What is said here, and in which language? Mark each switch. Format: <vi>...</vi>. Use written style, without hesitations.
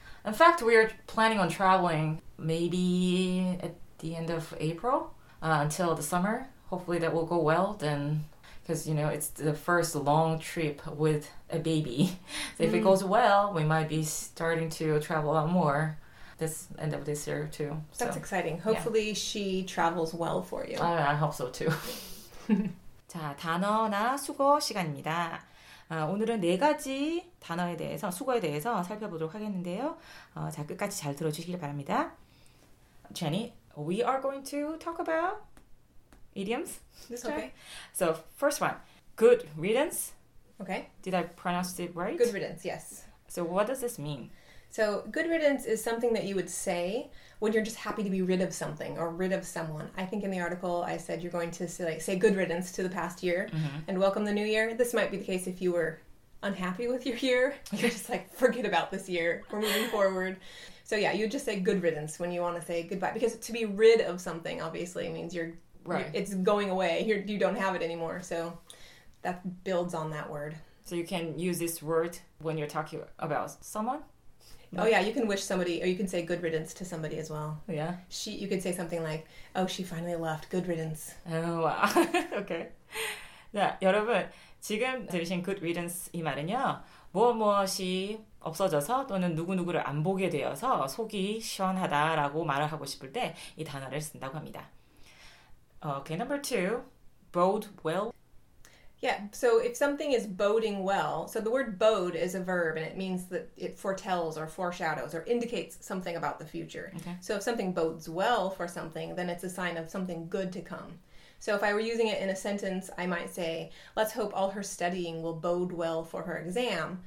<en>In fact, we are planning on traveling maybe at the end of April until the summer. Hopefully that will go well then, because, you know, it's the first long trip with a baby. So if it goes well, we might be starting to travel a lot more this end of this year too. That's so exciting. Hopefully she travels well for you. I hope so too.</en> <ko>자, 단어나 수거 시간입니다. 오늘은 네 가지 단어에 대해서, 수거에 대해서 살펴보도록 하겠는데요. 자, 끝까지 잘 들어주시길 바랍니다.</ko> <en>Jenny, we are going to talk about idioms. This okay. So, first one, good riddance. Okay. Did I pronounce it right? Good riddance, yes. So, what does this mean? So, good riddance is something that you would say when you're just happy to be rid of something or rid of someone. I think in the article I said you're going to say good riddance to the past year mm-hmm. and welcome the new year. This might be the case if you were unhappy with your year. You're just like, forget about this year. We're moving forward. So yeah, you just say good riddance when you want to say goodbye. Because to be rid of something obviously means it's going away. You don't have it anymore. So that builds on that word. So you can use this word when you're talking about someone? Oh yeah, you can wish somebody, or you can say good riddance to somebody as well. Yeah. You could say something like, oh, she finally left. Good riddance. Oh, wow. Okay.</en> <ko>자, 여러분, 지금 들으신 good riddance 이 말은요, 무엇무엇이 없어져서 또는 누구누구를 안 보게 되어서 속이 시원하다라고 말을 하고 싶을 때 이 단어를 쓴다고 합니다.</ko> <en>Okay, number two, bode well. Yeah, so if something is boding well, so the word bode is a verb and it means that it foretells or foreshadows or indicates something about the future. Okay. So if something bodes well for something, then it's a sign of something good to come. So if I were using it in a sentence, I might say, let's hope all her studying will bode well for her exam,</en>